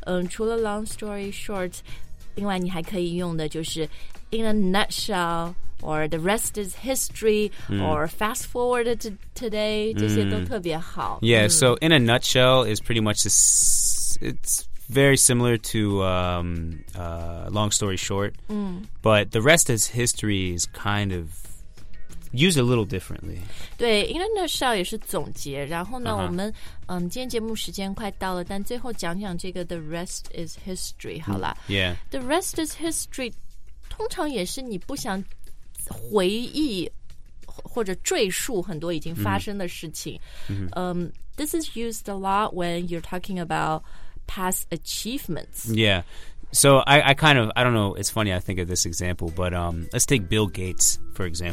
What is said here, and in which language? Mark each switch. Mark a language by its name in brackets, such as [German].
[Chinese] 除了 [English] long story short, [Chinese] 另外你还可以用的就是 [English] in a nutshell,or the rest is history,、or fast forward to today,、 [Chinese] 这些都特别好。 [English] Yeah,、so in a nutshell is pretty much, it's very similar to long story short,、but the rest is history is kind of used a little differently. [Chinese] 对 in a nutshell 也是总结然后呢、我们、今天节目时间快到了但最后讲讲这个 the rest is history, 好啦、 [English] Yeah. [Chinese] The rest is history 通常也是你不想回忆或者赘述很多已经发生的事情、 [English] This is used a lot when you're talking about past achievements. Yeah. So I kind of, I don't know, it's funny I think of this example, but、let's take Bill Gates, for example.